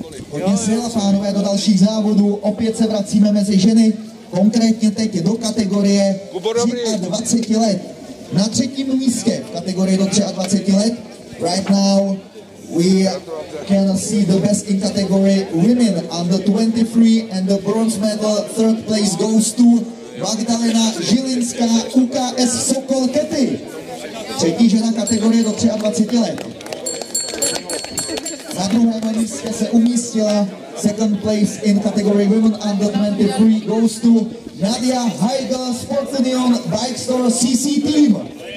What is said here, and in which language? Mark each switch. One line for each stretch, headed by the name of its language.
Czech: Hodně sil, pánové, do dalších závodů. Opět se vracíme mezi ženy, konkrétně teď do kategorie 23 let. Na třetím místě v kategorii do 23 let.
English: Right now we can see the best in category women under 23 and the bronze medal third place goes to Magdalena Žilinská, UKS Sokol Kety.
Czech: Třetí žena kategorie do 23 let. Na druhém místě se umístila
English: second place in category women under 23 goes to Nadia Heigl, Sportsunion Bike Store CC Team.